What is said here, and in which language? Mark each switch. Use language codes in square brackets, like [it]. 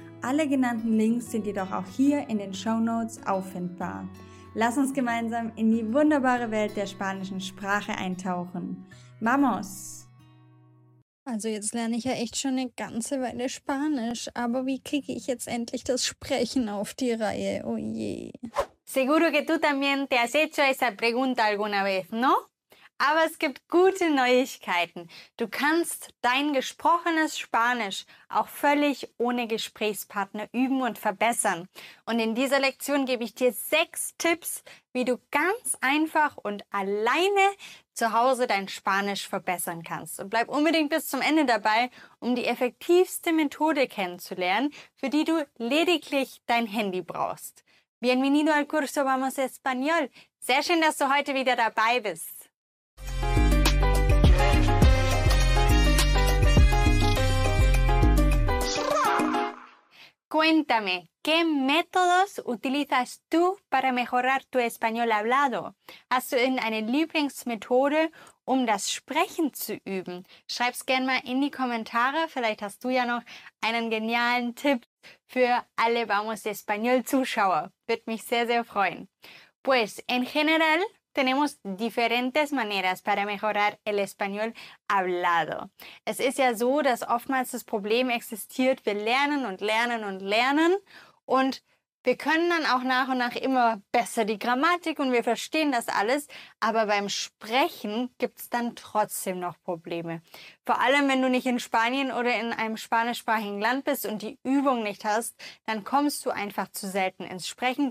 [de] Alle genannten Links sind jedoch auch hier in den Shownotes auffindbar. Lass uns gemeinsam in die wunderbare Welt der spanischen Sprache eintauchen. [es] ¡Vamos! [de] Also jetzt lerne ich ja echt schon eine ganze Weile Spanisch, aber wie kriege ich jetzt endlich das Sprechen auf die Reihe? Oh je. [es] Seguro que tú también te has hecho esa pregunta alguna vez, ¿no? [de] Aber es gibt gute Neuigkeiten. Du kannst dein gesprochenes Spanisch auch völlig ohne Gesprächspartner üben und verbessern. Und in dieser Lektion gebe ich dir 6 Tipps, wie du ganz einfach und alleine zu Hause dein Spanisch verbessern kannst. Und bleib unbedingt bis zum Ende dabei, um die effektivste Methode kennenzulernen, für die du lediglich dein Handy brauchst. [es] Bienvenido al curso Vamos Español. [de] Sehr schön, dass du heute wieder dabei bist. [es] Cuéntame, ¿qué métodos utilizas tú para mejorar tu español hablado? [de] ¿Hast du irgendeine Lieblingsmethode, um das Sprechen zu üben? Schreib's gerne mal in die Kommentare. Vielleicht hast du ja noch einen genialen Tipp für alle Vamos Español-Zuschauer. Würde mich sehr, sehr freuen. [es] Pues, en general, tenemos diferentes maneras para mejorar el español hablado. [de] Es ist ja so, dass oftmals das Problem existiert, wir lernen und lernen und lernen und wir können dann auch nach und nach immer besser die Grammatik und wir verstehen das alles, aber beim Sprechen gibt's dann trotzdem noch Probleme. Vor allem, wenn du nicht in Spanien oder in einem spanischsprachigen Land bist und die Übung nicht hast, dann kommst du einfach zu selten ins Sprechen.